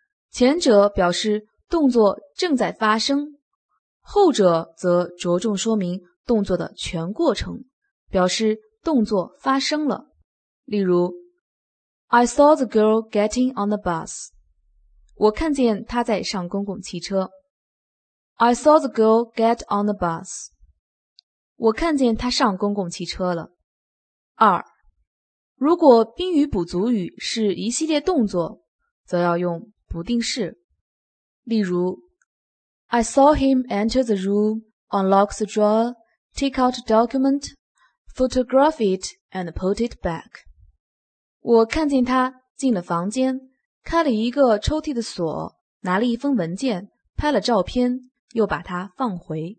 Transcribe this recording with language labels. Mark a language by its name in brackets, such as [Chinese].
[Chinese] 前者表示动作正在发生，后者则着重说明动作的全过程，表示动作发生了。例如 [English] I saw the girl getting on the bus. [Chinese] 我看见她在上公共汽车。 [English] I saw the girl get on the bus. [Chinese] 我看见她上公共汽车了。二，如果宾语补足语是一系列动作，则要用不定式。例如 [English] I saw him enter the room, unlock the drawer, take out a document, photograph it, and put it back. [Chinese] 我看见他进了房间，开了一个抽屉的锁，拿了一封文件，拍了照片，又把它放回。